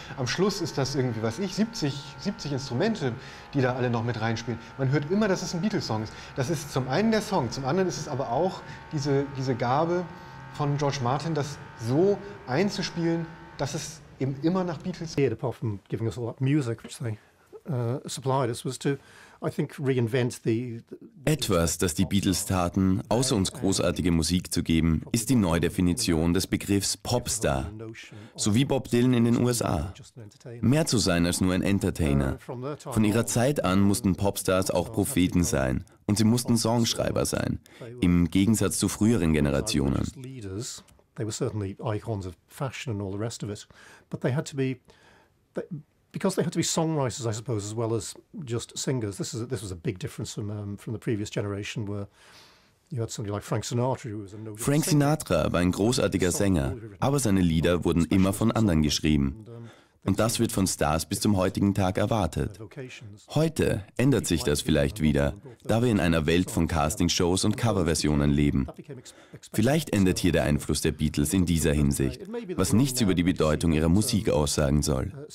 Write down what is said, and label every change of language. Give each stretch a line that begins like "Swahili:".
German: Am Schluss ist das irgendwie, was ich, 70 Instrumente, die da alle noch mit reinspielen. Man hört immer, dass es ein Beatles-Song ist. Das ist zum einen der Song, zum anderen ist es aber auch diese Gabe von George Martin, das so einzuspielen, dass es eben immer nach Beatles.
English: Yeah, apart from giving us all that music, which they supplied us, was to, I think, reinvent the.
German: Etwas, das die Beatles taten, außer uns großartige Musik zu geben, ist die Neudefinition des Begriffs Popstar. So wie Bob Dylan in den USA. Mehr zu sein als nur ein Entertainer. Von ihrer Zeit an mussten Popstars auch Propheten sein. Und sie mussten Songschreiber sein. Im Gegensatz zu früheren Generationen.
English: They were certainly icons of fashion and all the rest of it, but they had to be, because they had to be songwriters, I suppose, as well as just singers. This was a big difference from the previous generation, where you had somebody like Frank Sinatra, who was a no-good Frank singer.
German: Sinatra war ein großartiger Sänger, aber seine Lieder wurden immer von anderen geschrieben. Und das wird von Stars bis zum heutigen Tag erwartet. Heute ändert sich das vielleicht wieder, da wir in einer Welt von Castingshows und Coverversionen leben. Vielleicht endet hier der Einfluss der Beatles in dieser Hinsicht, was nichts über die Bedeutung ihrer Musik aussagen soll.